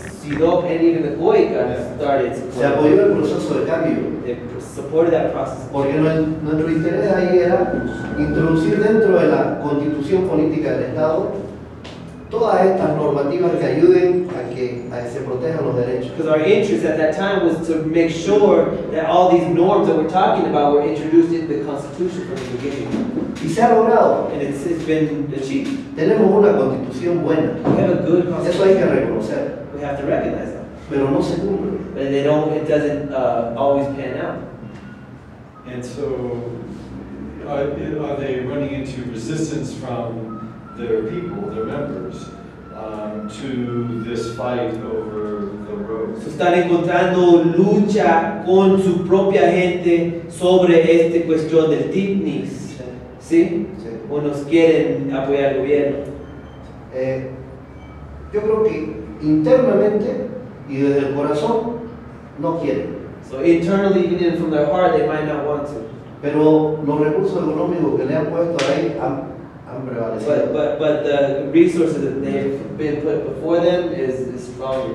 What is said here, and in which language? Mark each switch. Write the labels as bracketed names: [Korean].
[English] CIDOC and even the COICA started supporting. [Spanish] Se apoyó el proceso de cambio. [English] Supported that process. [Spanish] Porque nuestro interés ahí era introducir dentro de la constitución política del Estado todas estas normativas que ayuden a que se protejan los derechos. [English] Because our interest at that time was to make sure that all these norms that we're talking about were introduced into the Constitution from the beginning. [Spanish] Y se ha logrado. [English] And it's been achieved. [Spanish] Tenemos una constitución buena. [English] We have a good constitution. [Spanish] Eso hay que reconocer. [English] We have to recognize that. [Spanish] Pero no se cumple. [English] But they don't, it doesn't always pan out. And so, are they running into resistance from their people, their members, to this fight over the roads? [Spanish] Están encontrando lucha con su propia gente sobre esta cuestión del TIPNIS. ¿Sí? Sí. ¿O nos quieren apoyar al gobierno? Yo creo que internamente y desde el corazón no quieren. [English] So internally, even from their heart, they might not want to. [Spanish] Pero los recursos económicos que le han puesto ahí [English] But the resources that they've been put before them is stronger.